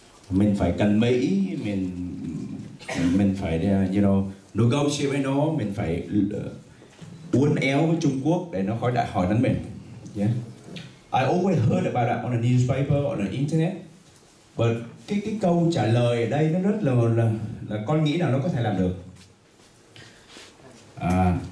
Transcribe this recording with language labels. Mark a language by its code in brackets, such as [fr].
[vi] mình phải cần Mỹ, mình phải [en] you know negotiate [vi] với nó, mình phải uốn éo với Trung Quốc để nó khỏi đại hỏi đến mình. Yeah. [en] I always heard about that on the newspaper, on the internet. [vi] But cái câu trả lời ở đây nó rất là con nghĩ là nó có thể làm được.